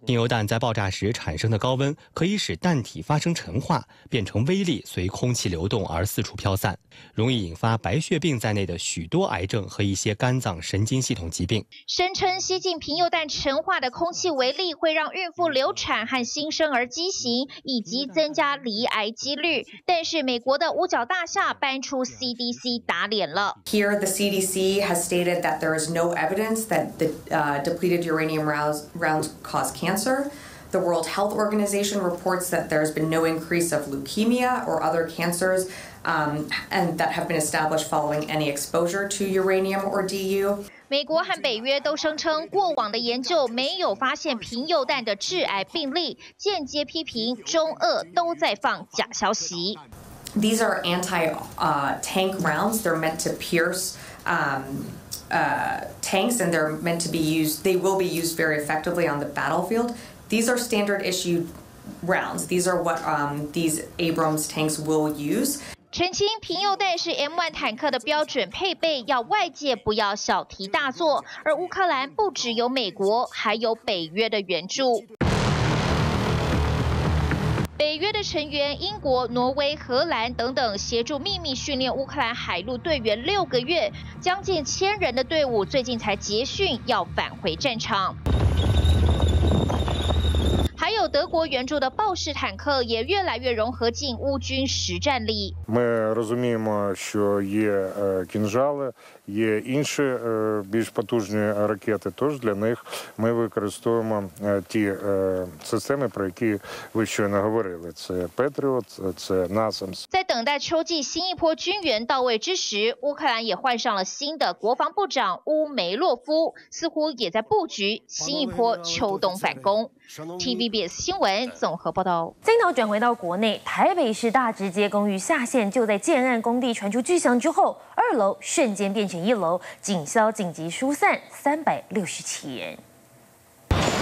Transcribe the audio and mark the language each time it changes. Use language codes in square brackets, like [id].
[zh] 平铀弹在爆炸时产生的高温可以使弹体发生陈化，变成微粒，随空气流动而四处飘散，容易引发白血病在内的许多癌症和一些肝脏神经系统疾病。声称吸进平铀弹陈化的空气微粒会让孕妇流产和新生儿畸形，以及增加罹癌几率，但是美国的五角大厦搬出 CDC 打脸了。 [en] Here, the CDC has stated that there is no evidence that the depleted uranium rounds cause cancer. The World Health Organization reports that there's been no increase of leukemia or other cancers, and that have been established following any exposure to uranium or DU. [zh] 美国和北约都声称过往的研究没有发现平铀弹的致癌病例，间接批评中俄都在放假消息。 [en] These are anti-tank rounds. They're meant to pierce tanks, and they're meant to be used. They will be used very effectively on the battlefield. These are standard issue rounds. These are what these Abrams tanks will use. [zh] 澄清，平铀弹是 M1 坦克的标准配备，要外界不要小题大做。而乌克兰不只有美国，还有北约的援助。北约的成员英国、挪威、荷兰等等协助秘密训练乌克兰海陆队员6个月，将近1000人的队伍最近才结训，要返回战场。还有德国援助的豹式坦克也越来越融合进乌军实战里。 [uk] Ми розуміємо, що є кінжали, є інші більш потужні ракети. Тож для них ми використовуємо ті системи, про які ви щойно говорили. Це Patriot, це NASAMS. [zh] 在等待秋季新一波军援到位之时，乌克兰也换上了新的国防部长乌梅洛夫，似乎也在布局新一波秋冬反攻。 TVBS 新闻综合报道。镜头转回到国内，台北市大直街公寓下线就在建案工地传出巨响之后，二楼瞬间变成一楼，警消紧急疏散367人。